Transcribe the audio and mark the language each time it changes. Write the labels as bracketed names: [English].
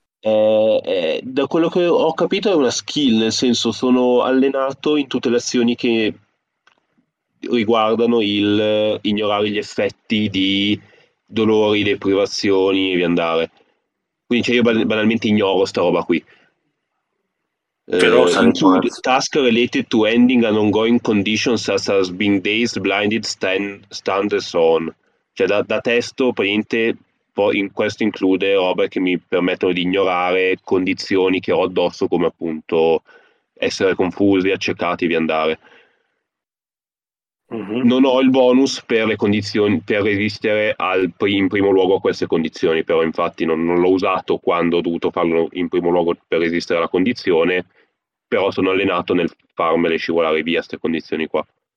[Italian] Da quello che ho capito è una skill, nel senso sono allenato in tutte le azioni che riguardano il ignorare gli effetti di dolori, deprivazioni e via andare. Quindi cioè, io banalmente ignoro sta roba qui. Però [English] task related to ending an ongoing condition such as being dazed, blinded, stunned and so on. [Italian] Cioè da testo praticamente in questo include robe che mi permettono di ignorare condizioni che ho addosso, come appunto essere confusi, accecati e via andare. Non ho il bonus per le condizioni per resistere in primo luogo a queste condizioni, però infatti non l'ho usato quando ho dovuto farlo in primo luogo per resistere alla condizione, però sono allenato nel farmele scivolare via queste condizioni qua.